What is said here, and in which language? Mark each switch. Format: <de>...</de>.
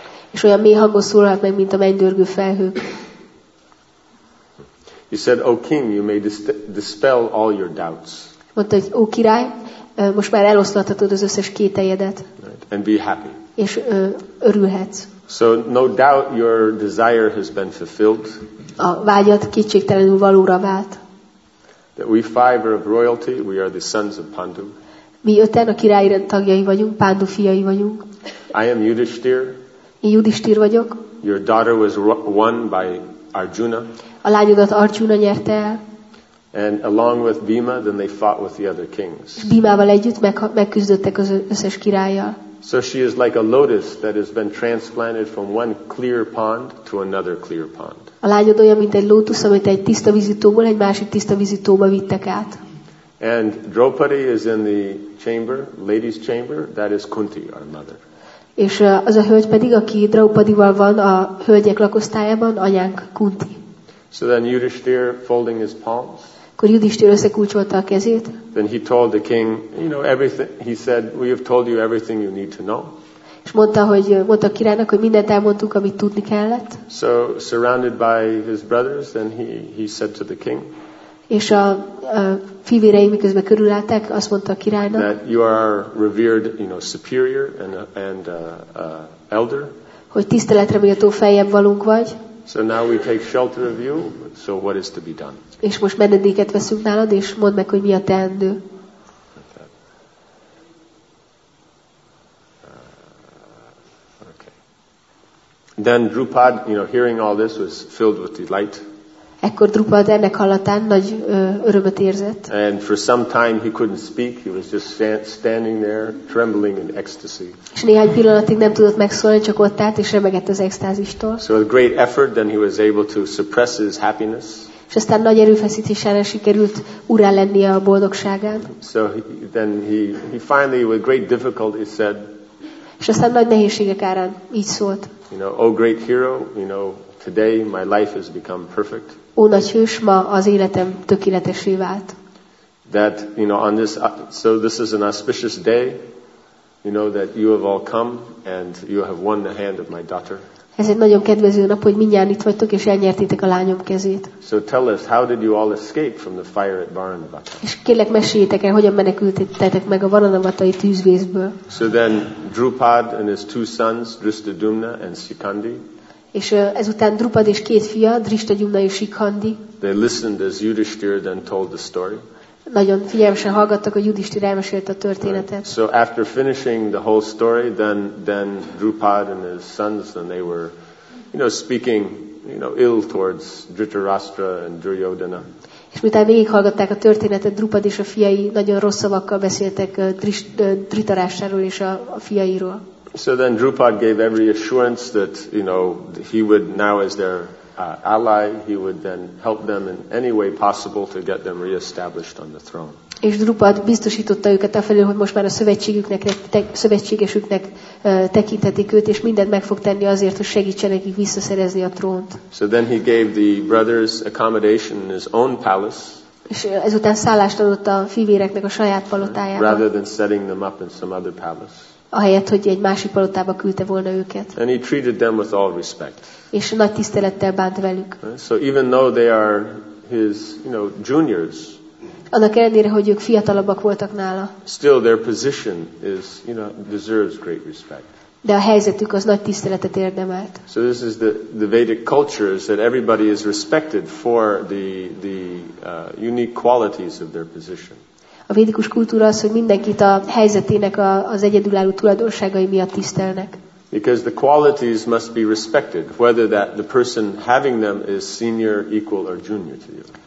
<hu>És olyan mély hangon szólalt meg, mint a mennydörgő felhők.</hu> <en>He said, "O king, you may dispel all your doubts."</en> <hu>Mondta, hogy ó király, most már eloszlathatod az összes kételyedet.</hu> <en>Right. And be happy.</en> <hu>És örülhetsz.</hu> <en>So no doubt your desire has been fulfilled.</en> <hu>A vágyad kétségtelenül valóra vált.</hu> <en>That we five are of royalty, we are the sons of Pandu.</en> <hu>Mi öten a királyi rend tagjai vagyunk, Pandu fiai vagyunk.</hu> <en>I am Yudhishthir.</en> <hu>Én Yudhishthir vagyok.</hu> <en>Your daughter was won by Arjuna.</en> <hu>A lányodat Arjuna nyerte el.</hu> <en>And along with Bhima, then they fought with the other kings.</en> <hu>Bhimával együtt megküzdöttek az összes királlyal.</hu> <en>So she is like a lotus that has been transplanted from one clear pond to another clear pond.</en> <hu>A lányod olyan, mint egy lótusz, amit egy tiszta vízű tóból egy másik tiszta vízű tóba vittek át.</hu> <en>And Draupadi is in the chamber, ladies' chamber, that is Kunti, our mother.</en> <hu>És az a hölgy pedig, aki Draupadival van a hölgyek lakosztályában, anyánk Kunti.</hu> <en>So then Yudhishthir folding his palms.</en> <hu>Akkor Yudhishthir összekulcsolta a kezét.</hu> <en>Then he told the king, you know everything. He said, we have told you everything you need to know.</en> <hu>És mondta a királynak, hogy mindent elmondtuk, amit tudni kellett.</hu> <en>So surrounded by his brothers, then he said to the king.</en> <hu>És a fivérei miközben körülálltak, azt mondta a királynak.</hu> <en>That you are revered, you know, superior and elder.</en> <hu>Hogy tiszteletre méltó feljebb valunk vagy.</hu> <en>So now we take shelter of you. So what is to be done?</en> <hu>És most menedéket veszünk nálad, és mondd meg, hogy mi a teendő.</hu> <en>Okay. Then Drupad, you know, hearing all this was filled with delight.</en> <hu>Ekkor Drupad ennek hallatán nagy örömet érzett.</hu> <en>And for some time he couldn't speak. He was just standing there, trembling in ecstasy.</en> <hu>És néhány pillanatig nem tudott megszólni, csak ott állt és remegett az extázistól.</hu> <en>So with great effort, then he was able to suppress his happiness.</en> <hu>És aztán nagy erőfeszítésére sikerült úrrá lennie a boldogságán.</hu> <en>So he finally, with great difficulty, said.</en> <hu>És aztán nagy nehézségek árán így szólt.</hu> <en>You know, oh great hero, you know. Today my life has become perfect.</en> <hu>Ó nagy hős, ma az életem tökéletessé vált.</hu> <en>That, you know, on this, so this is an auspicious day, you know, that you have all come and you have won the hand of my daughter.</en> <hu>Ez egy nagyon kedvező nap, hogy mindjárt itt vagytok és elnyertétek a lányom kezét.</hu> <en>So tell us, how did you all escape from the fire at Varanavata?</en> <hu>És kérlek, meséljétek el, hogyan menekültetek meg a varanavatai tűzvészből.</hu> <en>So then Drupad and his two sons, Drishtadyumna and Shikhandi.</en> <hu>És ezután Drupad és két fia, Drishtadyumna és Shikhandi.</hu> <en>They listened as Yudhishthir then told the story.</en> <hu>Nagyon figyelmesen hallgattak, hogy Yudhishthir elmesélte a történetet.</hu> <en>Right. So after finishing the whole story, then Drupad and his sons, then they were, you know, speaking, you know, ill towards Dhritarashtra and Duryodhana.</en> <hu>És miután végighallgatták a történetet, Drupad és a fiai nagyon rossz szavakkal beszéltek Dhritarashtráról és a fiairól.</hu> <en>So then Drupad gave every assurance that, you know, he would now as their ally, he would then help them in any way possible to get them reestablished on the throne.</en> <hu>És Drupad biztosította őket afelől, hogy most már a szövetségesüknek tekintetik őt, és mindent meg fog tenni azért, hogy segítsen nekik visszaszerezni a trónt.</hu> <en>So then he gave the brothers accommodation in his own palace.</en> <hu>És ezután szállást adott a fivéreknek a saját palotájában.</hu> <en>Rather than setting them up in some other palace.</en> <hu>Ahelyett, hogy egy másik palotába küldte volna őket.</hu> <en>And he treated them with all respect.</en> <hu>És nagy tisztelettel bánt velük.</hu> <en>So even though they are his, you know, juniors.</en> <hu>Annak ellenére, hogy ők fiatalabbak voltak nála.</hu> <en>Still their position is, you know, deserves great respect.</en> <hu>De a helyzetük az nagy tiszteletet érdemelt.</hu> <en>So this is the Vedic culture is that everybody is respected for the unique qualities of their position.</en> <hu>A védikus kultúra az, hogy mindenkit a helyzetének az egyedülálló tulajdonságai miatt tisztelnek.</hu> <en>Because the qualities must be respected, whether that the person having them is senior, equal or junior to you.</en>